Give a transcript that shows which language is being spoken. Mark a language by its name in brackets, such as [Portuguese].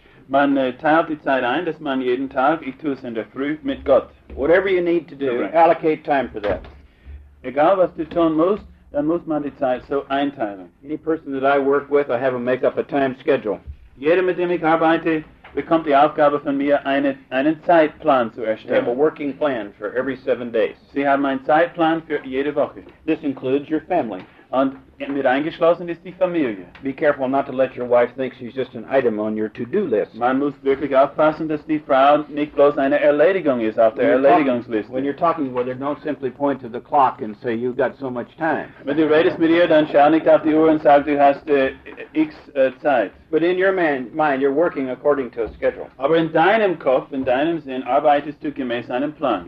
[German] Man teilt die Zeit ein, dass man jeden Tag, ich tue es in der Früh, mit Gott. [English] Whatever you need to do, allocate time for that. [German] Egal was du tun musst, dann muss man die Zeit so einteilen. [English] Any person that I work with, I have them make up a time schedule. [German] Jeder, mit dem ich arbeite, bekommt die Aufgabe von mir, einen Zeitplan zu erstellen. [English] I have a working plan for every 7 days. [German] Sie haben einen Zeitplan für jede Woche. [English] This includes your family. [German] Und mit eingeschlossen ist die Familie. [English] Be careful not to let your wife think she's just an item on your to-do list. [German] Man muss wirklich aufpassen, dass die Frau nicht bloß eine Erledigung ist auf der Erledigungsliste. [English] When you're talking with her, don't simply point to the clock and say, you've got so much time. [German] Wenn du redest mit ihr, dann schau nicht auf die Uhr und sag, du hast x Zeit. [English] But in your mind, you're working according to a schedule. [German] Aber in deinem Kopf, in deinem Sinn, arbeitest du gemäß einem Plan.